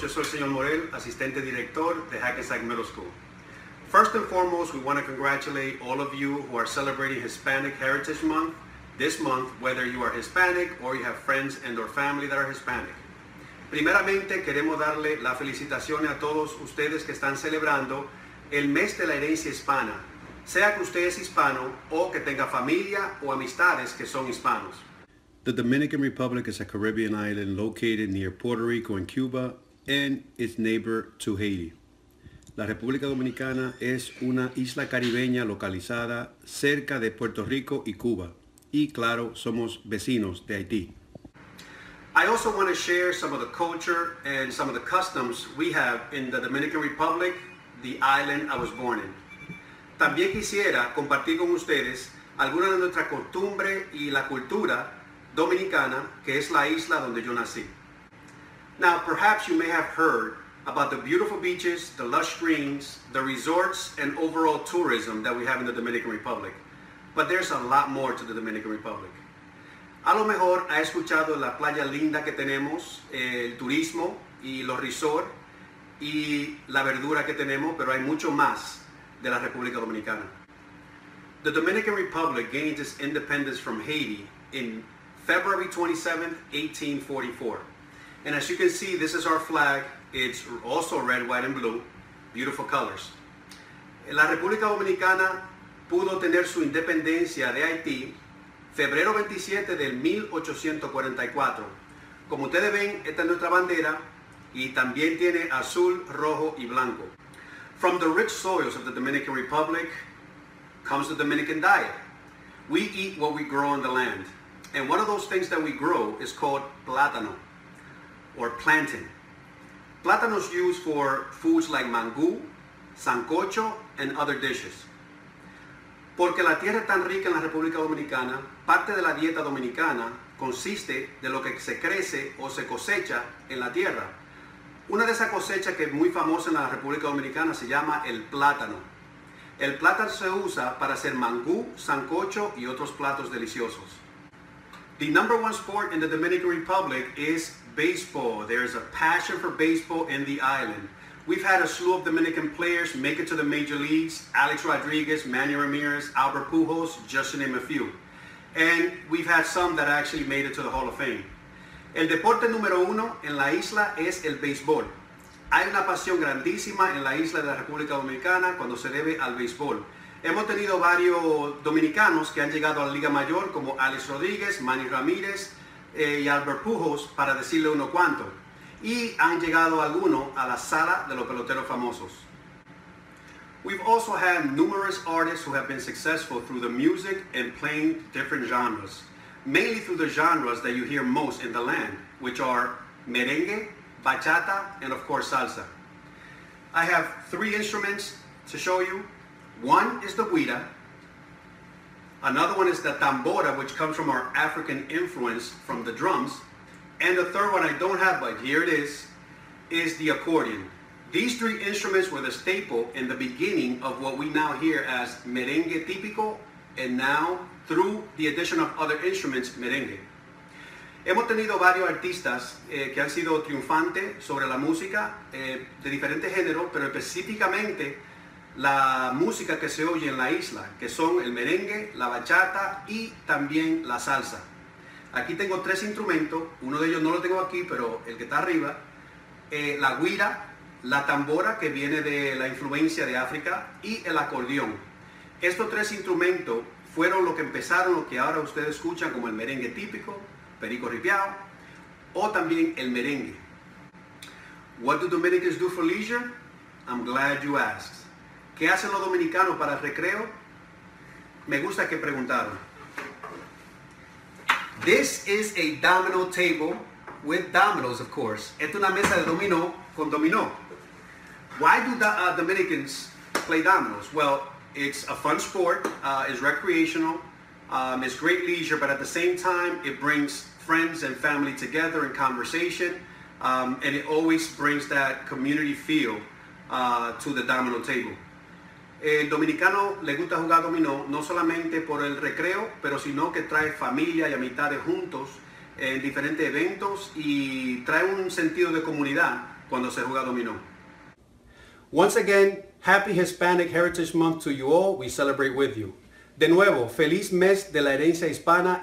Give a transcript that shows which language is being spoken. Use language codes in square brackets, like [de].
[es] Yo soy el señor Morel, asistente director de Hackensack Middle School. [en] First and foremost, we want to congratulate all of you who are celebrating Hispanic Heritage Month this month, whether you are Hispanic or you have friends and or family that are Hispanic. [es] Primeramente, queremos darle la felicitación a todos ustedes que están celebrando el mes de la herencia hispana, sea que usted es hispano o que tenga familia o amistades que son hispanos. [en] The Dominican Republic is a Caribbean island located near Puerto Rico and Cuba and its neighbor to Haiti. [es] La República Dominicana es una isla caribeña localizada cerca de Puerto Rico y Cuba. Y claro, somos vecinos de Haití. [en] I also want to share some of the culture and some of the customs we have in the Dominican Republic, the island I was born in. [es] También quisiera compartir con ustedes algunas de nuestras costumbres y la cultura dominicana, que es la isla donde yo nací. [en] Now, perhaps you may have heard about the beautiful beaches, the lush greens, the resorts, and overall tourism that we have in the Dominican Republic. But there's a lot more to the Dominican Republic. [es] A lo mejor ha escuchado la playa linda que tenemos, el turismo y los resorts y la verdura que tenemos, pero hay mucho más de la República Dominicana. [en] The Dominican Republic gained its independence from Haiti in February 27, 1844. And as you can see, this is our flag. It's also red, white, and blue. Beautiful colors. [es] La República Dominicana pudo tener su independencia de Haití Febrero 27 del 1844. Como ustedes ven, esta es nuestra bandera y también tiene azul, rojo y blanco. [en] From the rich soils of the Dominican Republic comes the Dominican diet. We eat what we grow on the land. And one of those things that we grow is called plátano or plantain. Plátano is used for foods like mangú, sancocho, and other dishes. [es] Porque la tierra es tan rica en la República Dominicana, parte de la dieta dominicana consiste de lo que se crece o se cosecha en la tierra. Una de esas cosechas que es muy famosa en la República Dominicana se llama el plátano. El plátano se usa para hacer mangú, sancocho y otros platos deliciosos. [en] The number one sport in the Dominican Republic is baseball. There's a passion for baseball in the island. We've had a slew of Dominican players make it to the major leagues. Alex Rodriguez, Manny Ramirez, Albert Pujols, just to name a few. And we've had some that actually made it to the Hall of Fame. [es] El deporte número uno en la isla es el béisbol. Hay una pasión grandísima en la isla de la República Dominicana cuando se debe al béisbol. Hemos tenido varios dominicanos que han llegado a la Liga Mayor, como Alex Rodriguez, Manny Ramirez y Albert Pujols, para decirle uno cuánto. Y han llegado algunos a la sala de los peloteros famosos. [en] We've also had numerous artists who have been successful through the music and playing different genres. Mainly through the genres that you hear most in the land, which are merengue, bachata, and of course salsa. I have three instruments to show you. One is the güira. Another one is the tambora, which comes from our African influence from the drums. And the third one I don't have, but here it is the accordion. These three instruments were the staple in the beginning of what we now hear as merengue típico, and now through the addition of other instruments, merengue. [es] Hemos tenido varios artistas que han sido triunfantes sobre la música de diferentes géneros, pero específicamente la música que se oye en la isla, que son el merengue, la bachata y también la salsa. Aquí tengo tres instrumentos, uno de ellos no lo tengo aquí, pero el que está arriba, la güira, la tambora, que viene de la influencia de África, y el acordeón. Estos tres instrumentos fueron lo que empezaron lo que ahora ustedes escuchan como el merengue típico, perico ripiao, o también el merengue. [en] What do Dominicans do for leisure? I'm glad you asked. [es] ¿Qué hacen los dominicanos para el recreo? Me gusta que preguntaron. [en] This is a domino table with dominoes, of course. [es] Esta es una mesa de dominó con dominó. [en] Why do the Dominicans play dominoes? Well, it's a fun sport, it's recreational, it's great leisure, but at the same time, it brings friends and family together in conversation, and it always brings that community feel to the domino table. [es] El dominicano le gusta jugar dominó, no solamente por el recreo, pero sino que trae familia y amistades juntos en diferentes eventos y trae un sentido de comunidad cuando se juega dominó. [en] Once again, happy Hispanic Heritage Month to you all. We celebrate with you. [es] De nuevo, feliz mes de la herencia hispana.